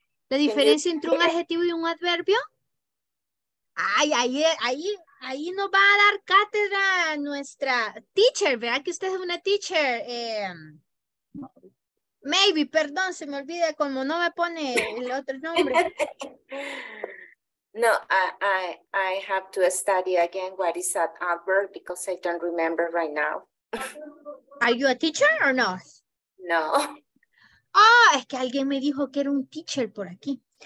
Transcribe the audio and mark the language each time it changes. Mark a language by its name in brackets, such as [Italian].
[Spanish] ¿La diferencia entre un adjetivo y un adverbio? Ay, ahí nos va a dar cátedra nuestra teacher. ¿Verdad que usted es una teacher? Maybe, perdón, se me olvida como no me pone el otro nombre. [English] No, I have to study again what is that adverb because I don't remember right now. Are you a teacher or not? No. [Spanish] Ah, es que alguien me dijo que era un teacher por aquí.